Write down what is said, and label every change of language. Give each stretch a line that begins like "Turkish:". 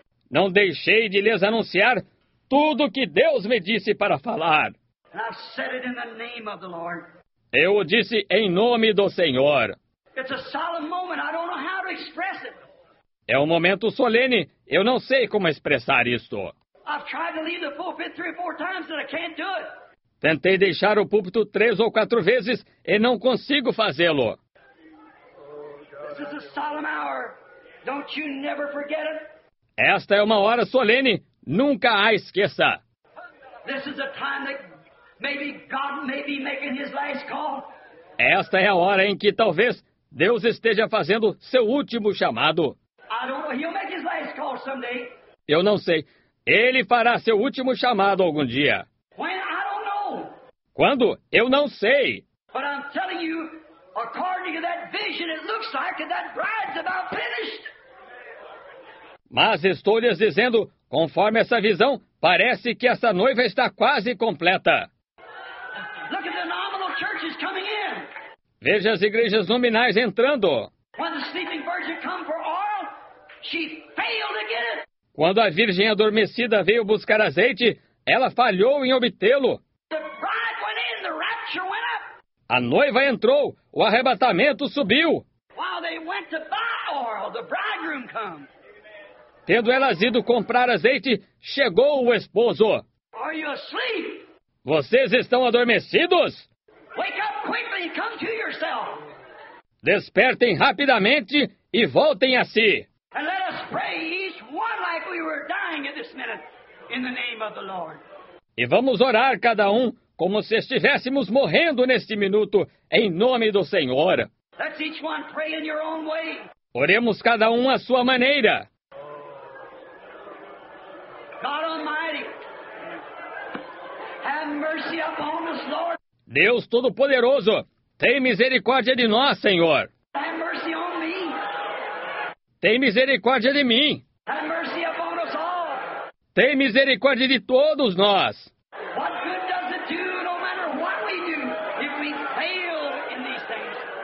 Portuguese: Não deixei de lhes anunciar tudo o que Deus me disse para falar.
English: And I've said it in the name of the Lord.
Portuguese: Eu o disse em nome do Senhor.
English: It's a solemn moment. I don't know how to express it.
Portuguese: É um momento solene. Eu não sei como expressar isto.
English: I've tried to leave the pulpit 3 or 4 times and I can't do it.
Portuguese: Tentei deixar o púlpito 3 ou 4 vezes e não consigo fazê-lo.
English: This is a solemn hour. Don't you never forget it.
Portuguese: Esta é uma hora solene. Nunca a esqueça.
English: This is a time that maybe God may be making his last call.
Portuguese: Esta é a hora em que talvez Deus esteja fazendo seu último chamado.
English: I don't know. He'll make his last call someday.
Portuguese: Eu não sei. Ele fará seu último chamado algum dia.
English: When? I don't know.
Portuguese: Quando? Eu não sei.
English: But I'm telling you, according to that vision, it looks like that bride's about finished.
Portuguese: Mas estou lhes dizendo, conforme essa visão, parece que essa noiva está quase completa.
English: Look at the nominal churches coming in.
Portuguese: Veja as igrejas nominais entrando.
English: When the sleeping virgin come for oil, she failed to get it.
Portuguese: Quando a virgem adormecida veio buscar azeite, ela falhou em obtê-lo.
English: The bride went in, the rapture went up.
Portuguese: A noiva entrou, o arrebatamento subiu.
English: While they went to buy oil, the bridegroom comes.
Portuguese: Tendo elas ido comprar azeite, chegou o esposo.
English: Are you asleep?
Portuguese: Vocês estão adormecidos?
English: Wake up quickly and come to yourself.
Portuguese: Despertem rapidamente e voltem a si.
English: And let us pray each one like we were dying at this minute in the name of the Lord.
Portuguese: E vamos orar cada um como se estivéssemos morrendo neste minuto em nome do Senhor.
English: Let's each one pray in your own way.
Portuguese: Oremos cada um à sua maneira.
English: God Almighty, have mercy upon us, Lord.
Portuguese: Deus Todo-Poderoso, tem misericórdia de nós, Senhor.
English: Have mercy on me.
Portuguese: Tem misericórdia de mim.
English: Have mercy upon us all.
Portuguese: Tem misericórdia de todos nós.
English: What good does it do, no matter what we do, if we fail in these things?